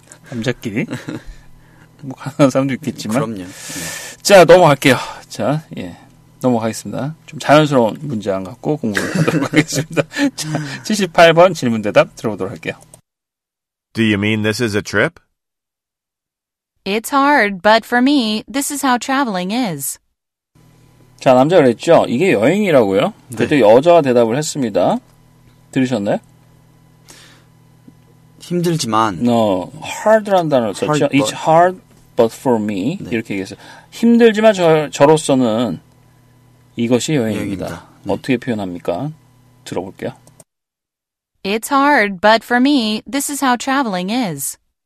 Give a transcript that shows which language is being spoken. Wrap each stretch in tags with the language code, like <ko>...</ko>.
<ko>남자끼리 뭐 가능한 사람도 있겠지만. 그럼요. 네. 자, 넘어갈게요. 자, 예. 넘어가겠습니다. 좀 자연스러운 문장 갖고 공부를 하도록 하겠습니다. 자, 78번 질문 대답 들어보도록 할게요.</ko> <en>Do you mean this is a trip? It's hard, but for me, this is how traveling is.</en> <ko>자, 남자가 그랬죠? 이게 여행이라고요? 네. 그때 여자가 대답을 했습니다. 들으셨나요? 힘들지만</ko> <en>No. hard라는</en> <ko>단어를 썼죠.</ko> <en>Hard, it's hard, but for me.</en> <ko>네. 이렇게 얘기했어요. 힘들지만 저로서는 이것이 여행이다. 네. 어떻게 표현합니까? 들어볼게요.</ko> <en>It's hard, but for me, this is how traveling is.</en>